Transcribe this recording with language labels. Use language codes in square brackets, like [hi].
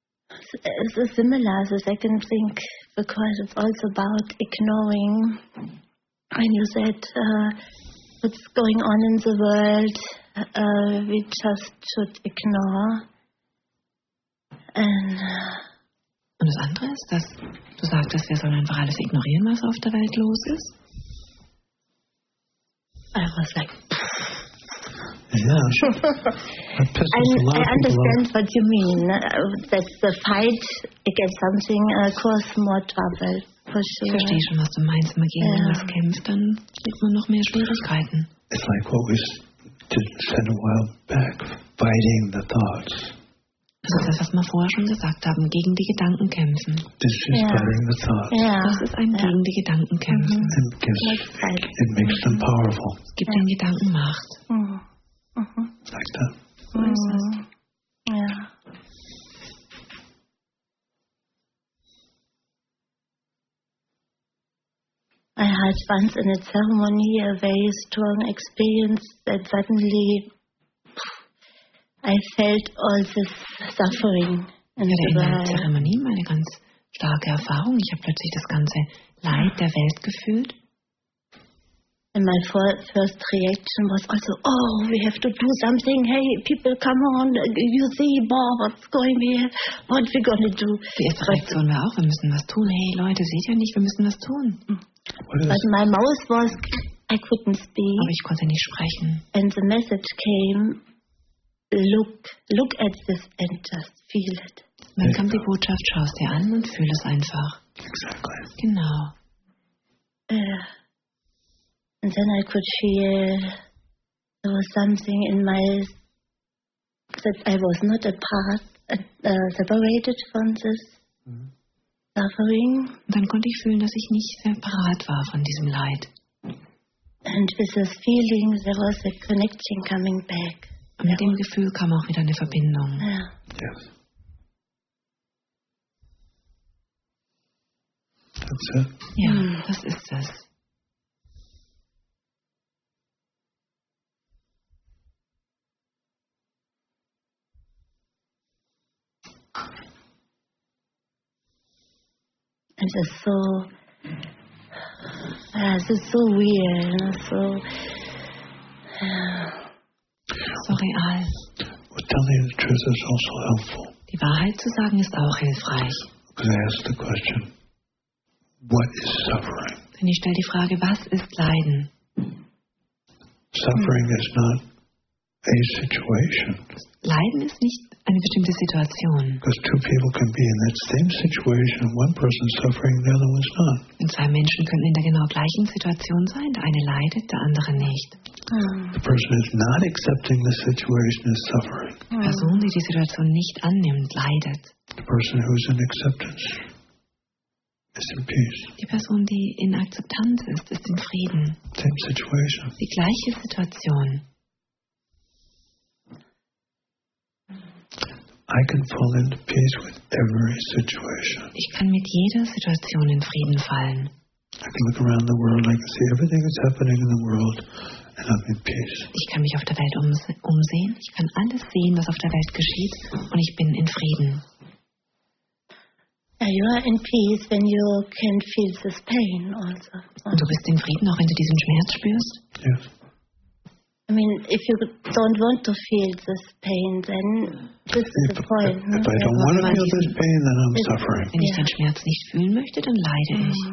[en] It's a similar, the second thing, because it's also about ignoring when you said what's going on in the world, we just should ignore. And [de] das andere ist, dass du sagtest, wir sollen einfach alles ignorieren, was auf der Welt los ist. [en] I was like, yeah, sure. I understand what you mean. That the fight against something causes more trouble, for sure. [de] Ich verstehe schon, was du meinst. Immer gegen was kämpft, dann kriegt man noch mehr Schwierigkeiten. [en] It's like what we said a while back, fighting the thoughts. [de] Das ist das, was wir vorher schon gesagt haben, gegen die Gedanken kämpfen. [en] This is fighting the thoughts. Yeah. [de] Das ist ein gegen die Gedanken kämpfen. [en] It makes them powerful. [de] Gibt den Gedanken Macht. [en] Like that. Yeah. I had once in a ceremony a very strong experience that suddenly I felt all this suffering. [de] In der Ceremonie, meine ganz starke Erfahrung. Ich habe plötzlich das ganze Leid der Welt gefühlt. [en] And my first reaction was also, oh, we have to do something. Hey, people, come on. You see, boah, what's going here? What are we going to do? [de] Die erste Reaktion war auch, wir müssen was tun. Hey, Leute, seht ihr nicht, wir müssen was tun. [en] But my mouth was, I couldn't speak. [de] Aber ich konnte nicht sprechen. [en] And the message came, look at this and just feel it. [de] Dann kam die Botschaft, schau es dir an und fühl es einfach. [en] Exactly. [de] Genau. [en] And then I could feel there was something in my that I was not apart, separated from this suffering. [de] Dann konnte ich fühlen, dass ich nicht separat war von diesem Leid. [en] And with this feeling, there was a connection coming back. [de] Und mit dem Gefühl kam auch wieder eine Verbindung. Ja. [en] Yes. That's it. [de] Ja, das ist es. Es ist so, es ist so weird, so, [en] so real. Well, telling the truth is also helpful. [de] Die Wahrheit zu sagen ist auch hilfreich. [en] Because I ask the question, what is suffering? [de] Denn ich stelle die Frage, was ist Leiden? [en] Suffering is not a situation. [de] Leiden ist nicht eine bestimmte Situation. [en] Because two people can be in that same situation, one person suffering, the other one's not. [de] Und zwei Menschen können in der genau gleichen Situation sein, der eine leidet, der andere nicht. [en] The person is not accepting the situation is suffering. [de] Die Person, die die Situation nicht annimmt, leidet. [en] The person who's in acceptance is in peace. [de] Die Person, die in Akzeptanz ist, ist in Frieden. [en] Same situation. [de] Die gleiche Situation. [en] I can fall into peace with every situation. [de] Ich kann mit jeder Situation in Frieden fallen. [en] I can look around the world, I can see everything that's happening in the world, and I'm in peace. [de] Ich kann mich auf der Welt umsehen. Ich kann alles sehen, was auf der Welt geschieht, und ich bin in Frieden. [en] You are in peace when you can feel this pain also. [de] Und du bist in Frieden, auch wenn du diesen Schmerz spürst? [en] Yes. I mean, if you don't want to feel this pain, then this is the point. If I don't want to feel this pain, then I'm suffering. [de] Wenn ich den Schmerz nicht fühlen möchte, dann leide ich.